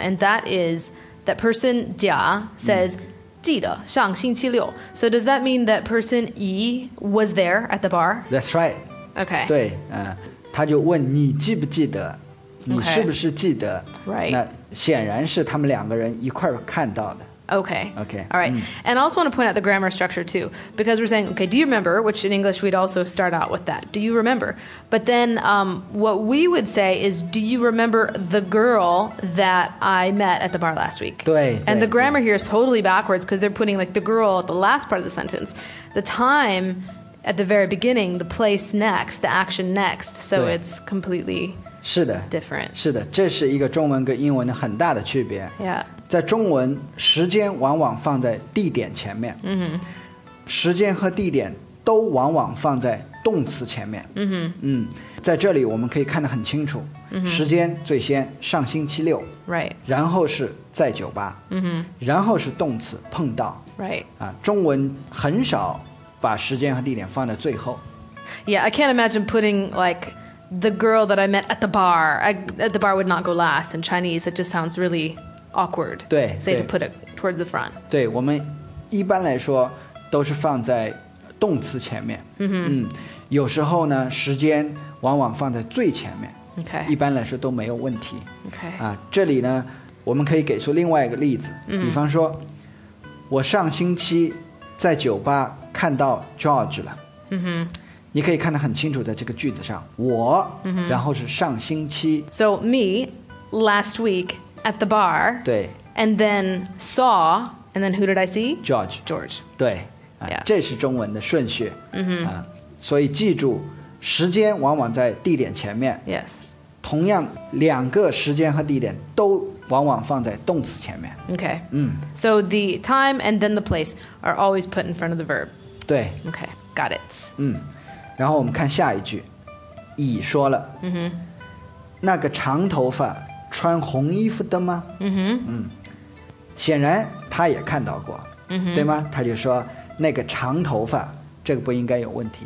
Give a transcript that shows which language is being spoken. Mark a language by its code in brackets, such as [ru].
[en] And that is that person 甲 says、 [zh] 嗯记得上星期六 [en] So does that mean that person 乙 was there at the bar? That's right Okay [zh] 对、他就问你记不记得你是不是记得 [en] Right、 [zh] okay. 那显然是他们两个人一块看到的 [en] Okay Okay Alright、嗯、And I also want to point out the grammar structure too Because we're saying Okay, do you remember? Which in English we'd also start out with that Do you remember? But then、what we would say is Do you remember the girl that I met at the bar last week? [zh] 对 [en] And 对 the grammar here is totally backwards Because they're putting like the girl at the last part of the sentence The time at the very beginning The place next The action next So it's completely different [zh] 是的这是一个中文跟英文的很大的区别 [en] Yeah [zh] 在中文时间往往放在地点前面、 mm-hmm. 时间和地点都往往放在动词前面、 mm-hmm. 嗯、在这里我们可以看得很清楚、 mm-hmm. 时间最先上星期六、 [en] right. [zh] 然后是在酒吧、 mm-hmm. 然后是动词碰到、 [en] right. [zh] 啊、中文很少把时间和地点放在最后 [en] Yeah, I can't imagine putting like the girl that I met at the bar at the bar would not go last in Chinese It just sounds reallyawkward [zh] 对 [en] say to put it towards the front [zh] 对我们一般来说都是放在动词前面、 mm-hmm. 嗯、有时候呢时间往往放在最前面、 [en] okay. [zh] 一般来说都没有问题、 [en] okay. [zh] 啊、这里呢我们可以给出另外一个例子、 mm-hmm. 比方说我上星期在酒吧看到 George 了、 mm-hmm. 你可以看得很清楚在这个句子上我、 mm-hmm. 然后是上星期 [en] So me last weekAt the bar, [zh] 对 [en] and then saw, and then who did I see? George. George. [zh] 对、 [en] yeah. [zh] 这是中文的顺序、 mm-hmm. 所以记住时间往往在地点前面 [en] Yes. [zh] 同样两个时间和地点都往往放在动词前面 [en] Okay.、嗯、 so the time and then the place are always put in front of the verb. [zh] 对 [en] Okay. Got it.、 [zh] 嗯、然后我们看下一句乙说了、 mm-hmm. 那个长头发穿红衣服的吗、 mm-hmm. 嗯、显然他也看到过、 mm-hmm. 对吗他就说那个长头发这个不应该有问题